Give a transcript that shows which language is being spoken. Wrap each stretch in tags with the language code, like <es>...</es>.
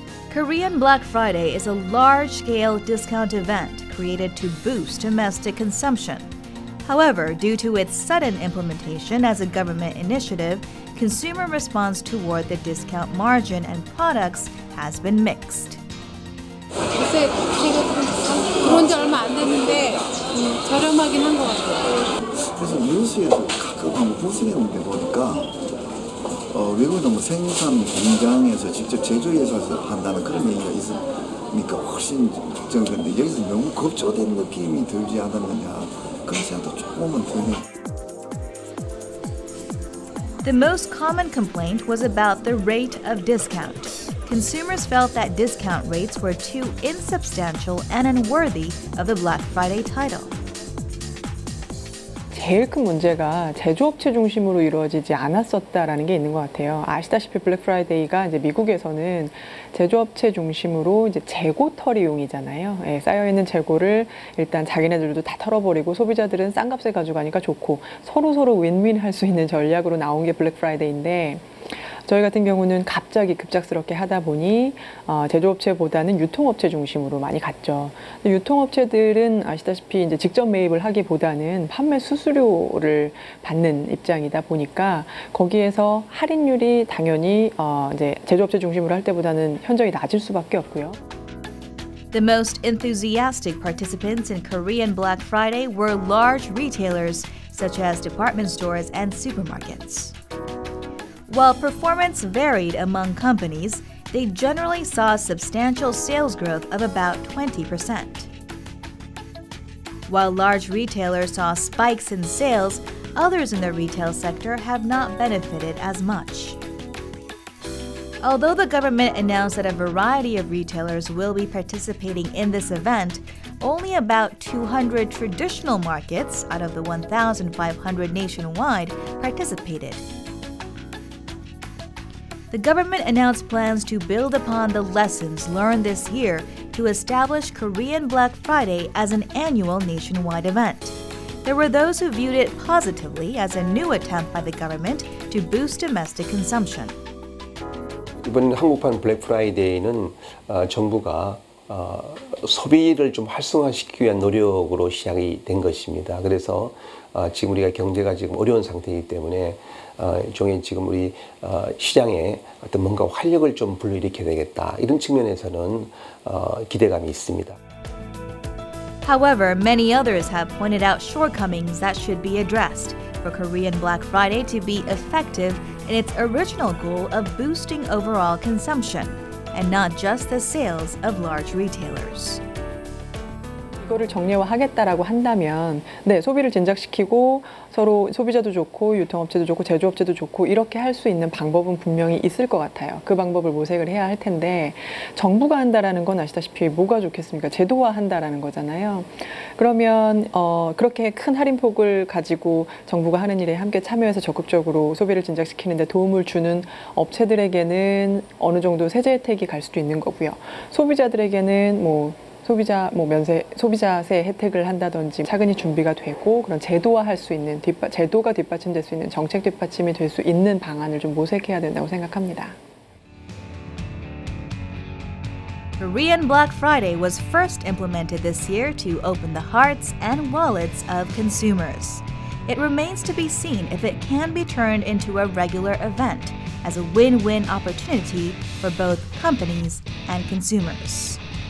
<en>Korean Black Friday is a large-scale discount event created to boost domestic consumption. However, due to its sudden implementation as a government initiative, consumer response toward the discount margin and products has been mixed.</en> <ko>글쎄, 제가 그런 지 얼마 안 됐는데 저렴하긴 한 것 같아요. 그래서 뉴스에서 가끔 호스님한테 보니까 외국에 너무 생산 공장에서 직접 제조해서 한다는 그런 얘기가 있어. 그러니까 훨씬 걱정했는데 여기서 너무 급조된 느낌이 들지 않았느냐 그런 생각도 조금은 드네요.</ko> <en>The most common complaint was about the rate of discount. Consumers felt that discount rates were too insubstantial and unworthy of the Black Friday title.</en> <ko>제일 큰 문제가 제조업체 중심으로 이루어지지 않았었다라는 게 있는 것 같아요. 아시다시피 블랙 프라이데이가 이제 미국에서는 제조업체 중심으로 이제 재고 털이용이잖아요. 예, 쌓여있는 재고를 일단 자기네들도 다 털어버리고 소비자들은 싼 값에 가져가니까 좋고 서로서로 윈윈 할 수 있는 전략으로 나온 게 블랙 프라이데이인데 저희 같은 경우는 갑자기 급작스럽게 하다 보니 제조업체보다는 유통업체 중심으로 많이 갔죠. 유통업체들은 아시다시피 이제 직접 매입을 하기보다는 판매 수수료를 받는 입장이다 보니까 거기에서 할인율이 당연히 이제 제조업체 중심으로 할 때보다는 현저히 낮을 수밖에 없고요.</ko> <en>The most enthusiastic participants in Korean Black Friday were large retailers such as department stores and supermarkets. While performance varied among companies, they generally saw substantial sales growth of about 20%. While large retailers saw spikes in sales, others in the retail sector have not benefited as much. Although the government announced that a variety of retailers will be participating in this event, only about 200 traditional markets out of the 1,500 nationwide participated. The government announced plans to build upon the lessons learned this year to establish Korean Black Friday as an annual nationwide event. There were those who viewed it positively as a new attempt by the government to boost domestic consumption.</en> <ko>이번 한국판 블랙 프라이데이는 정부가 소비를 좀 활성화시키기 위한 노력으로 시작이 된 것입니다. 그래서 지금 우리가 경제가 지금 어려운 상태이기 때문에 종이 지금 우리 시장에 어떤 뭔가 활력을 좀 불러일으켜야 되겠다 이런 측면에서는 기대감이 있습니다.</ko> <en>However, many others have pointed out shortcomings that should be addressed for Korean Black Friday to be effective in its original goal of boosting overall consumption and not just the sales of large retailers.</en> <ko>이거를 정례화하겠다라고 한다면 네, 소비를 진작시키고 서로 소비자도 좋고 유통업체도 좋고 제조업체도 좋고 이렇게 할 수 있는 방법은 분명히 있을 것 같아요. 그 방법을 모색을 해야 할 텐데 정부가 한다라는 건 아시다시피 뭐가 좋겠습니까? 제도화한다라는 거잖아요. 그러면 그렇게 큰 할인폭을 가지고 정부가 하는 일에 함께 참여해서 적극적으로 소비를 진작시키는데 도움을 주는 업체들에게는 어느 정도 세제 혜택이 갈 수도 있는 거고요. 소비자들에게는 뭐 소비자 뭐 면세 소비자세 혜택을 한다든지 차근히 준비가 되고 그런 제도화할 수 있는 제도가 뒷받침될 수 있는 정책 뒷받침이 될 수 있는 방안을 좀 모색해야 된다고 생각합니다.</ko> <en>Korean Black Friday was first implemented this year to open the hearts and wallets of consumers. It remains to be seen if it can be turned into a regular event as a win-win opportunity for both companies and consumers.</en>